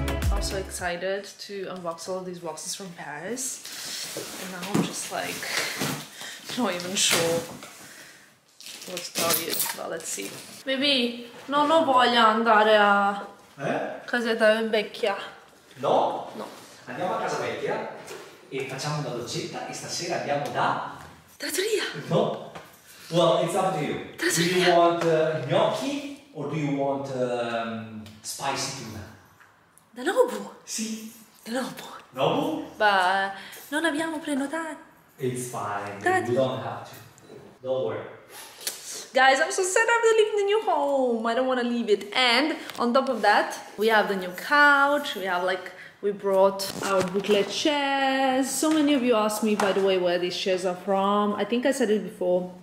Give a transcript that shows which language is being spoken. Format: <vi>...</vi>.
<en>I'm so excited to unbox all of these boxes from Paris. And now I'm just like, not even sure what to tell you. Well, let's see.</en> <it>Baby, non ho voglia andare a casetta vecchia. No? No. Andiamo a casa vecchia e facciamo una doccetta e stasera andiamo da... Trattoria!</it> <en>No. Well, it's up to you.</en> <it>Trattoria.</it> <en>Do you want gnocchi or do you want spicy tuna?</en> <it>Da Nobu? Sì. Da Nobu? Nobu? Beh, non abbiamo prenotato.</it> <en>It's fine. We don't have to. Don't worry. Guys, I'm so sad I have to leave the new home. I don't want to leave it. And on top of that, we have the new couch. We have like, we brought our booklet chairs. So many of you asked me, by the way, where these chairs are from. I think I said it before.</en>